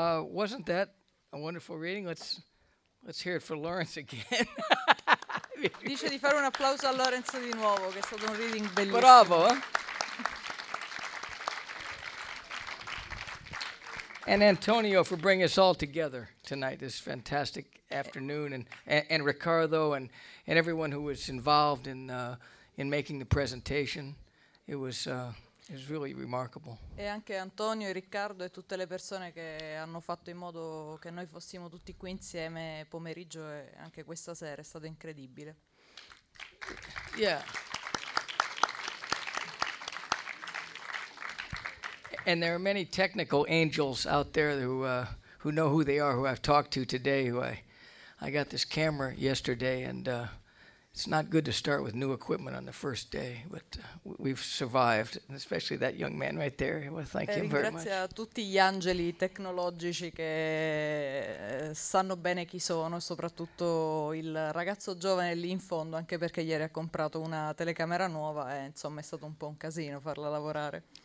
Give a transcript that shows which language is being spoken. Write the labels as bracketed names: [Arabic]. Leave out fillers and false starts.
[English] Wasn't that a wonderful reading? Let's hear it for Lawrence again. [Italian] Dice di fare un applauso a Lorenzo di nuovo, che è stato un reading bellissimo. Bravo. [English] And Antonio for bringing us all together tonight, this fantastic afternoon, and Ricardo and everyone who was involved in making the presentation. It was really remarkable. [Italian] E anche Antonio e Riccardo e tutte le persone che hanno fatto in modo che noi fossimo tutti qui insieme pomeriggio e anche questa sera, è stato incredibile. [English] Yeah. And there are many technical angels out there who know who they are, who I've talked to today. I got this camera yesterday, and It's not good to start with new equipment on the first day, but we've survived, especially that young man right there. Well, thank you very much. [Italian] Ringrazio tutti gli angeli tecnologici che sanno bene chi sono, soprattutto il ragazzo giovane lì in fondo, anche perché ieri ha comprato una telecamera nuova e insomma è stato un po' un casino farla lavorare.